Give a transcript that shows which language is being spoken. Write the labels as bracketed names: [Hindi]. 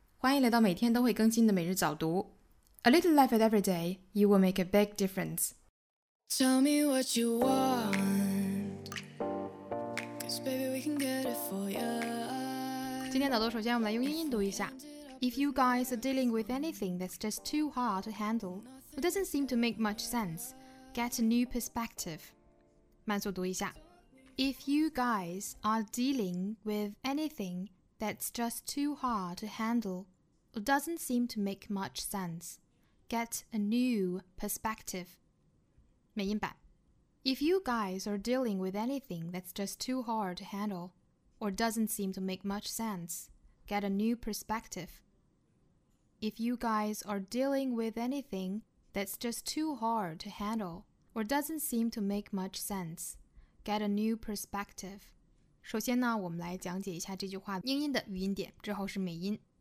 [Chinese] 欢迎来到每天都会更新的每日早读。 [English] A little life at every day, you will make a big difference. Tell me what you want. Cause baby, we can get it for ya. [Chinese] 今天早读首先我们来用英音读一下。 [English] If you guys are dealing with anything that's just too hard to handle, or doesn't seem to make much sense, get a new perspective. [Chinese] 慢速读一下。 [English] If you guys are dealing with anything that's just too hard to handle or doesn't seem to make much sense, get a new perspective. [Chinese] 美音版 [English] If you guys are dealing with anything that's just too hard to handle or doesn't seem to make much sense, get a new perspective. If you guys are dealing with anything that's just too hard to handle or doesn't seem to make much sense,Get a new perspective. [Chinese] 首先呢，我们来讲解一下这句话英音的语音点，之后是美音。